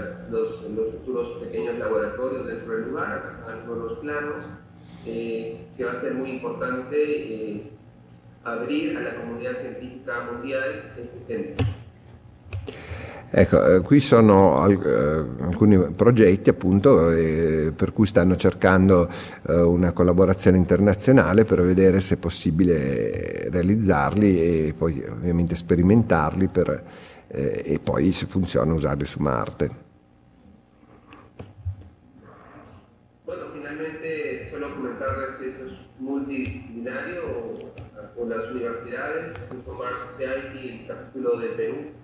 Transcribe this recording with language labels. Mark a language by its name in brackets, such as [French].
[Spanish] Los futuros pequeños laboratorios dentro del lugar, acá están todos los planos, que va a ser muy importante abrir a la comunidad científica mundial este centro. [Italian] Ecco, qui sono alcuni progetti appunto per cui stanno cercando una collaborazione internazionale per vedere se è possibile realizzarli e poi ovviamente sperimentarli e poi se funziona usarli su Marte. [Spanish] Bueno, finalmente solo comentarles que esto es multidisciplinario con las universidades, justo Mars Society, el capítulo de Perú.